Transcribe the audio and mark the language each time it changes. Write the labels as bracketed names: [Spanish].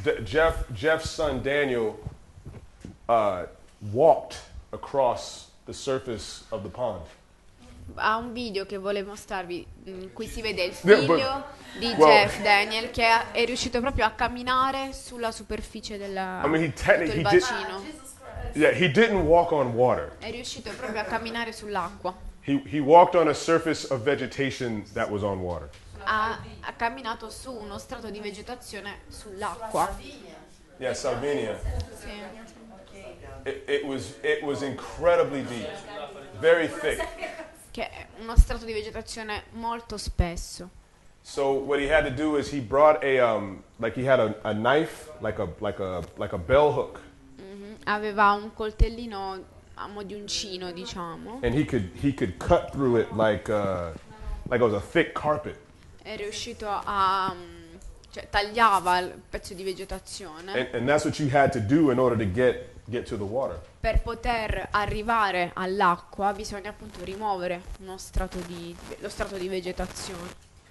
[English] Jeff's son Daniel walked across the surface of the pond. [Italian] Ha un video che volevo mostrarvi. Qui si vede il figlio Jeff Daniel che è riuscito proprio a camminare sulla superficie del bacino. [English] Yeah, he didn't walk on water. [Italian] È riuscito proprio a camminare sull'acqua. [English] He walked on a surface of vegetation that was on water. [Italian] Ha camminato su uno strato di vegetazione sull'acqua. [English] Yeah, Salvinia. [Italian] Sì. [English] It was incredibly deep, very thick. [Italian] Che è uno strato di vegetazione molto spesso. [English] So what he had to do is he brought a knife, like a bell hook. [Italian] Aveva un coltellino a mo' di uncino, diciamo. [English] And he could cut through it like it was a thick carpet. [Italian] È riuscito a tagliava il pezzo di vegetazione. [English] And that's what you had to do in order to get to the water. [Italian] Per poter arrivare all'acqua bisogna appunto rimuovere lo strato di vegetazione.